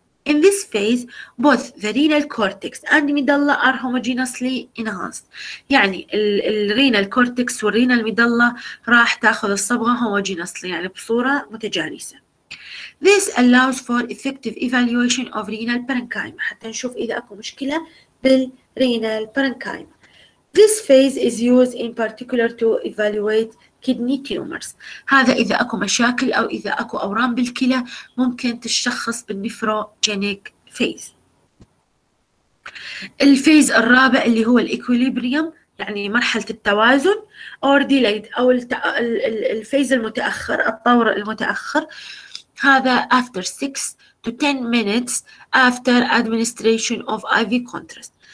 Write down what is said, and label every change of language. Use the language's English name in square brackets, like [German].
[English] In this phase, both the renal cortex and medulla are homogeneously enhanced. [Arabic] يعني ال renal cortex والرينال ميدلا راح تأخذ الصبغة homogeneously يعني بصورة متجانسة. [English] This allows for effective evaluation of renal parenchyma. [Arabic] حتى نشوف إذا أكو مشكلة بالرينال parenchyma. [English] This phase is used in particular to evaluate kidney tumors. [Arabic] هذا إذا أكو مشاكل أو إذا أكو أورام بالكلى ممكن تشخص بالنيفروجينيك phase. الفيز الرابع اللي هو الإكوليبريوم يعني مرحلة التوازن or delayed أو الفيز المتأخر الطور المتأخر، هذا [English] after 6 to 10 minutes after administration of IV contrast.